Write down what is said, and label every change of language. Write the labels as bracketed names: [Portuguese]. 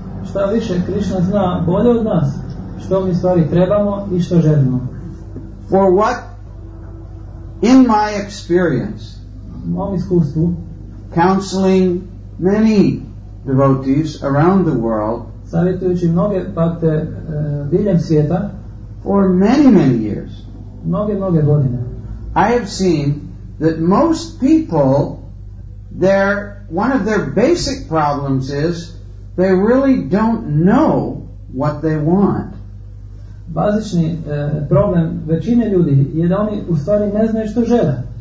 [Croatian] Šta više, Krishna zna bolje od nas što mi stvari trebamo i što želimo. [English] For what, in my experience, [Croatian] mom iskustvu, [English] counseling many devotees around the world, [Croatian] savjetujući mnoge bhakte diljem svijeta, [English] for many, many years, [Croatian] mnoge, mnoge godine, [English] I have seen that most people, their one of their basic problems is they really don't know what they want. [Croatian] Bazični problem većine ljudi je da oni u stvari ne znaju što žele.